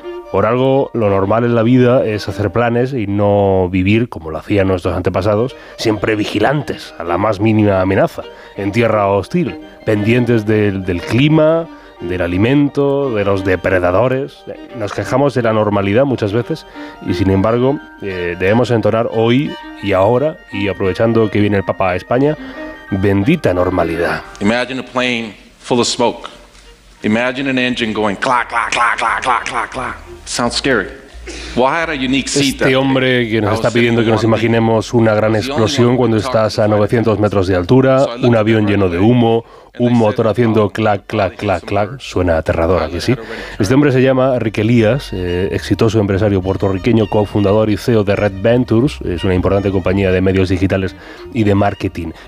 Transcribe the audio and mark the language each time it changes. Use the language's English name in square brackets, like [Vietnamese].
[Spanish] Por algo, lo normal en la vida es hacer planes y no vivir, como lo hacían nuestros antepasados, siempre vigilantes a la más mínima amenaza, en tierra hostil, pendientes del clima, del alimento, de los depredadores. Nos quejamos de la normalidad muchas veces y, sin embargo, debemos entonar hoy y ahora, y aprovechando que viene el Papa a España, bendita normalidad. [English] Imagine a plane full of smoke. Imagine an engine going clack, clack, clack, clack, clack, clack, clack. Sounds scary. [Spanish] Este hombre que nos está pidiendo que nos imaginemos una gran explosión cuando estás a 900 metros de altura, un avión lleno de humo, un motor haciendo clac, clac, clac, clac, suena aterrador, ¿a que sí? Este hombre se llama Rick Elías, exitoso empresario puertorriqueño, cofundador y CEO de Red Ventures, es una importante compañía de medios digitales y de marketing.